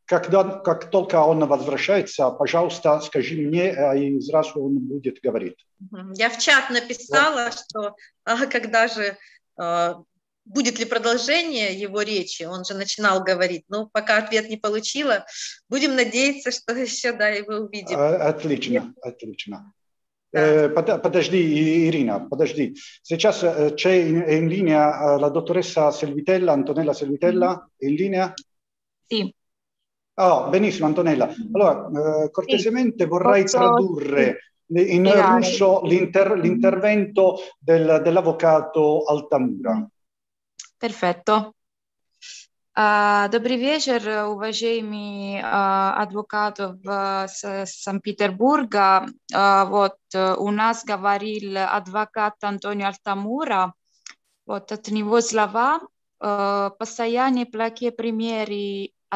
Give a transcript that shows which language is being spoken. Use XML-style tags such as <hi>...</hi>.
<ru>Как только он возвращается, пожалуйста, скажи мне, и сразу он будет говорить. Я в чат написала, вот. Что когда же, будет ли продолжение его речи, он же начинал говорить, но пока ответ не получила, будем надеяться, что еще, да, его увидим. Отлично. Подожди, Ирина, подожди. Сейчас</ru> <it>in</it> <ru>линия</ru> <it>la dottoressa Selvitella, Antonella Selvitella, in linea? Sì. Oh, benissimo, Antonella. Allora, cortesemente vorrei tradurre in russo l'intervento dell'avvocato Altamura. Perfetto.</it> <ru>Добрый вечер, уважаемый адвокат в Санкт-Петербурге. Вот у нас говорил адвокат Антонио Альтамура. Вот от него слова. Постоянные плохие примеры</ru>